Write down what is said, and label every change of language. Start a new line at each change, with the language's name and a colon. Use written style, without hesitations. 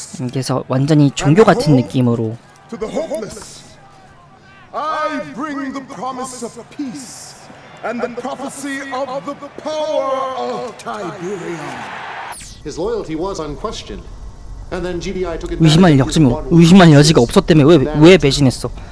Korean: 그래서 완전히 종교 같은 느낌으로.
English: I bring the promise of peace and the prophecy of the power of Tiberium. His loyalty was unquestioned. And then GBI took it.
Korean: 의심할 역점이 의심할 여지가 없었다며 왜 배신했어?